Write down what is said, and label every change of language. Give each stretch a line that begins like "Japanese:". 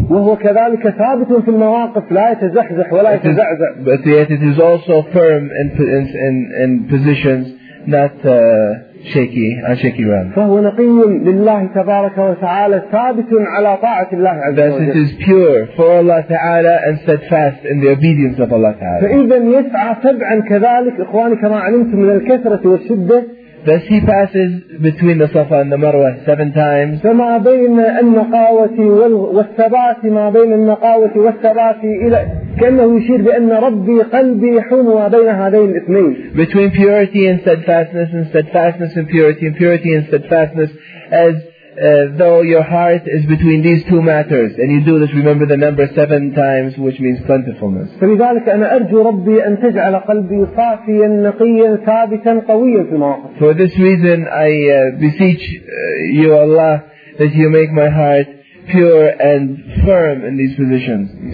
English: But yet it is also firm in positions, not shaky, on shaky ground. Thus it is pure for Allah Ta'ala and steadfast in the obedience of Allah Ta'ala. Thus he passes between the Safa and the Marwa 7 times.
Arabic: فما بين النقاوة والثبات ما بين النقاوة والثبات إلى كأنه يشير بأن ربي قلبي يحوم بين هذين الاثنين.
English: Between purity and steadfastness, and steadfastness and purity and steadfastness, as though your heart is between these two matters, and you do this, remember the number 7 times, which means plentifulness.
Arabic: فلذلك أنا أرجو ربي أن تجعل قلبي صافيا نقيا ثابتا قويا في المواقف.
English: For this reason, I beseech you, Allah, that you make my heart pure and firm in these positions.